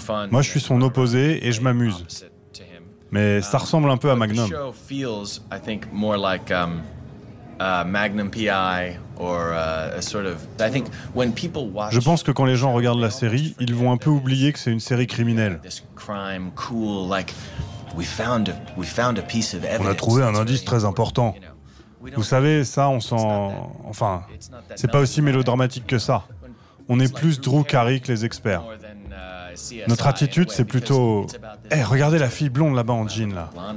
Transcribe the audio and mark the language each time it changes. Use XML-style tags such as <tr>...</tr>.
<fr>Moi, je suis son opposé et je m'amuse. Mais ça ressemble un peu à Magnum.</fr> <en>The show feels, I think, more like Magnum PI or a sort of. I think when people watch.</en> <fr>Je pense que quand les gens regardent la série, ils vont un peu oublier que c'est une série criminelle.</fr> <en>This crime, cool, like we found a piece of evidence.</en> <fr>On a trouvé un indice très important. Vous savez, ça, on s'en. Enfin, c'est pas aussi mélodramatique que ça. On est plus Drew Carey que les experts. Notre attitude, c'est plutôt. Hey, regardez la fille blonde là-bas en jean, là.</fr>